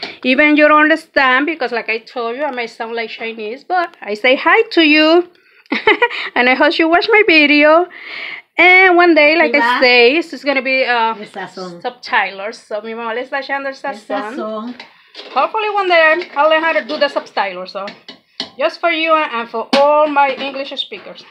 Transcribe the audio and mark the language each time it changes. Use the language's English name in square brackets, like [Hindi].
[English] Even you don't understand, because like I told you, I may sound like Chinese, but I say hi to you. And I hope you watch my video. And one day, like I say, this is going to be subtitlers. [Spanish] So mi mamá le está echando el sazón. [English] Hopefully one day I'll learn how to do the subtitlers. So just for you and for all my English speakers.